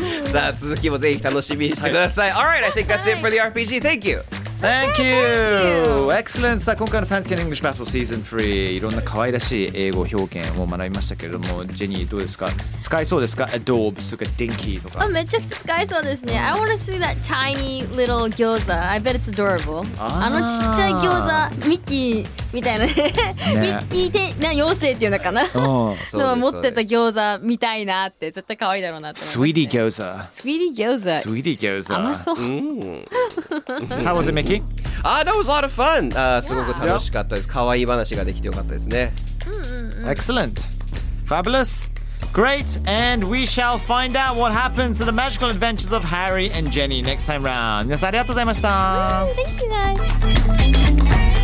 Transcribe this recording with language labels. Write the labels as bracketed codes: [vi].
[ja] さあ続きもぜひ楽しみにしてください、はい、 [en] Alright, I think that's it for the RPG. Thank youThank you. [ja] Excellent. さあ今回のFancy English Battle Season 3、いろんな可愛らしい英語表現を学びましたけれども、ジェニーどうですか？使えそうですか ？ [en] Adorbs とか Dinky [ja] とか。あ、めちゃくちゃ使えそうですね。 [en] I want to see that tiny little 餃子。 I bet it's adorable。 [ja] あのちっちゃい餃子、ミッキーみたいなね、ミッキーてな妖精っていうのかな。うん、の持ってた餃子みたいなって絶対可愛いだろうなって、ね。 [en] Sweetie 餃子。 Sweetie 餃子。 Sweetie 餃子。 [ja] 甘そう。 [en] How was it? Ah, that was a lot of fun. [ja] すごく楽しかったです。可愛い話ができてよかったですね。 [en] Excellent. Fabulous. Great. And we shall find out what happens to the magical adventures of Harry and Jenny next time round. [ja] 皆さんありがとうございました。 [en] Thank you guys.